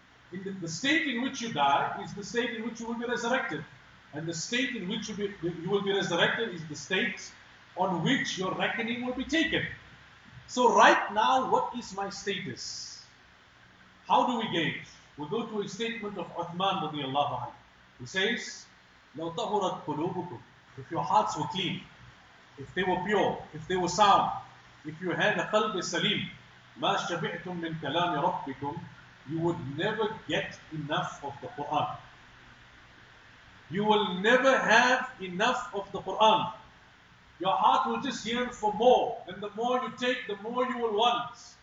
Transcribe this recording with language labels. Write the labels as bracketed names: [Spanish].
[English] The state in which you die is the state in which you will be resurrected. And the state in which you will be resurrected is the state on which your reckoning will be taken. So right now, what is my status? How do we gauge? We'll go to a statement of Uthman radiallahu anhu. He says, [Arabic] لَوْ تَهُرَتْ قُلُوبُكُمْ. [English] If your hearts were clean, if they were pure, if they were sound, if you had a qalb-e-saleem, [Arabic] ما شبعتم من كلام ربكم, [English] you would never get enough of the Quran. You will never have enough of the Quran. Your heart will just yearn for more, and the more you take, the more you will want.